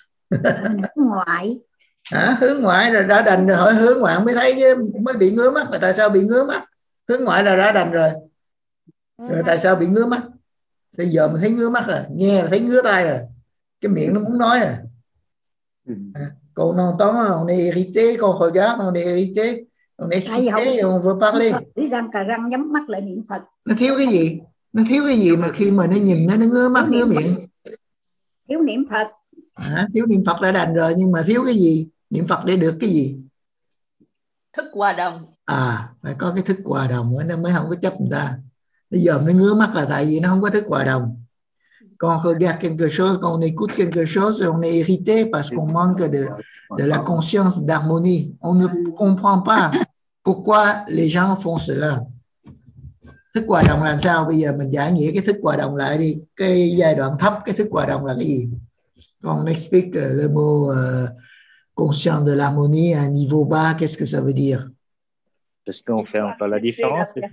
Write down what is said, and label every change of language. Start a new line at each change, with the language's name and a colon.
Vietnamese: Hướng ngoại. Hướng ngoại là đã đành rồi, hỏi hướng ngoại mới thấy chứ, mới bị ngứa mắt, tại sao bị ngứa mắt? Hướng ngoại là đã đành rồi. Rồi tại sao bị ngứa mắt? Thì giờ mình thấy ngứa mắt rồi, nghe là thấy ngứa tai rồi, cái miệng nó muốn nói rồi.
French: Còn on entend, on est irrité, quand on regarde, on est irrité, on est excité, on veut parler.
Vietnamese: Cái răng cà răng nhắm mắt lại niệm Phật. Nó thiếu cái gì? Nó thiếu cái gì mà khi mà nó nhìn nó ngứa mắt, ngứa miệng? Thiếu niệm Phật. Thiếu niệm Phật đã đành rồi, nhưng mà thiếu cái gì? Niệm Phật để được cái gì? Thức hòa đồng. Phải có cái thức hòa đồng, nó mới không có chấp người ta. Bây giờ nó ngứa mắt là tại vì nó không có thức hòa đồng.
French: Quand on regarde quelque chose, quand on écoute quelque chose, on est irrité parce qu'on manque de la conscience d'harmonie. On ne comprend pas pourquoi les gens font cela.
Vietnamese: Thức hòa đồng là sao? Bây giờ mình giải nghĩa cái thức hòa đồng lại đi. Cái giai đoạn thấp, cái thức hòa đồng là cái gì?
French: Quand on explique le mot conscience de l'harmonie à un niveau bas, qu'est-ce que ça veut dire? Est-ce qu'on fait encore la différence?